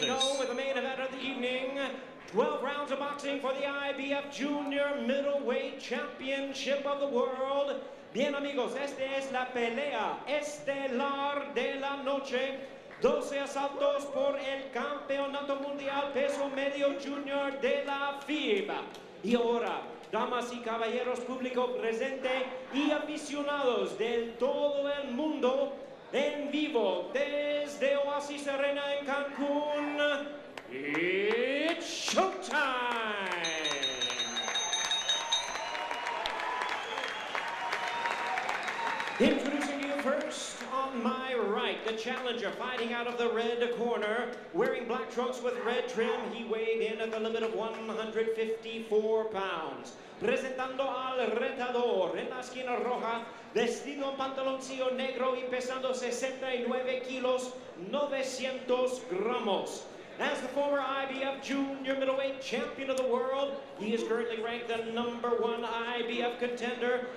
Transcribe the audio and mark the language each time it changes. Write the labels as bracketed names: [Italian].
[English] We go with the main event of the evening. 12 rounds of boxing for the IBF Junior Middleweight Championship of the World. [Spanish] Bien, amigos, esta es la pelea estelar de la noche. 12 asaltos por el campeonato mundial peso medio junior de la FIB. Y ahora, damas y caballeros, público presente y aficionados de todo el mundo, en vivo desde Oasis Arena en Cancún, [English] it's showtime! Introducing you first, on my right, the challenger fighting out of the red corner, wearing black trunks with red trim, he weighed in at the limit of 154 pounds. [Spanish] Presentando al retador, en la esquina roja, vestido en pantaloncillo negro y pesando 69 kilos, 900 gramos. [English] As the former IBF Junior Middleweight Champion of the World, he is currently ranked the number one IBF contender.